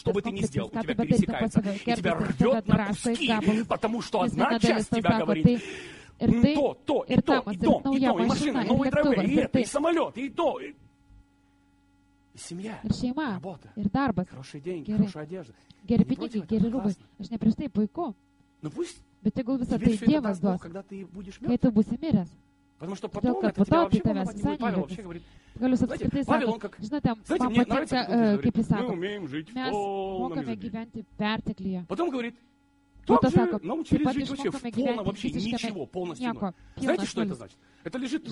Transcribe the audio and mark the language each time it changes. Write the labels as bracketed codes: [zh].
[ru] Что бы ты ни сделал, у тебя пересекается, и тебя рвет на куски, потому что одна часть тебя говорит, И машина, новые драйверы, и самолет, и то. И семья. [lt] Ir šeima, [ru] работа. [lt] Ir darbas. [ru] Хорошие деньги, [lt] gerai. [ru] Хорошая одежда. [lt] Gerai pinigai, geri rūbai. Aš ne prieš tai, puiku. [ru] Ну пусть. [lt] Bet jeigu visą tai Dievas duos, [ru] когда ты будешь мертв. [lt] Kai tu būsi miręs. [ru] Потому что потом это тебя вообще не будет. Павел вообще говорит. Павел, он как... Знаете, мне нравится, как он говорит. Мы умеем жить в полном изобилии. Потом говорит, так же научились жить вообще в полном, вообще ничего, полностью. Знаете, что это значит? Это лежит труп.